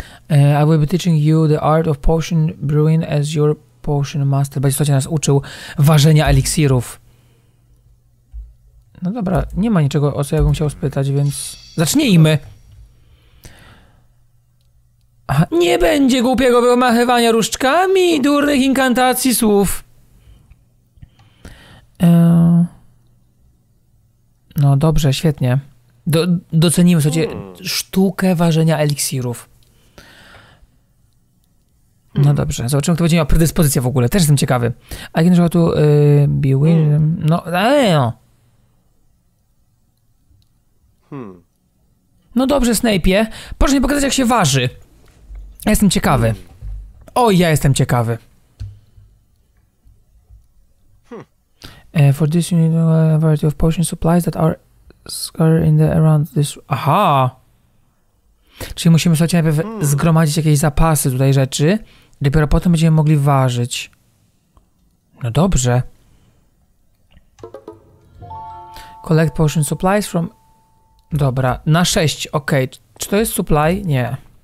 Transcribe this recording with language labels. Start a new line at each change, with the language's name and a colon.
English: I will be teaching you the art of potion brewing as your potion master.
Polish: Będzie to nas uczył ważenia eliksirów. No dobra, nie ma niczego, o co ja bym chciał spytać, więc... Zacznijmy! Aha, nie będzie głupiego wymachywania różdżkami i durnych inkantacji słów. No dobrze, świetnie. Docenimy sobie sztukę ważenia eliksirów. No dobrze, zobaczymy, kto będzie miał predyspozycję w ogóle. Też jestem ciekawy. A jak tu Bewin. No, no dobrze, Snape'ie. Proszę mi pokazać, jak się waży. Ja jestem ciekawy. Oj, ja jestem ciekawy.
English: For this you need a variety of potion supplies that are scattered in the around this. Aha!
Polish: Czyli musimy sobie najpierw zgromadzić jakieś zapasy tutaj rzeczy. Dopiero potem będziemy mogli ważyć. No dobrze.
English: Collect potion supplies from...
Polish: Dobra, na 6, okej. Okay. Czy to jest supply? Nie.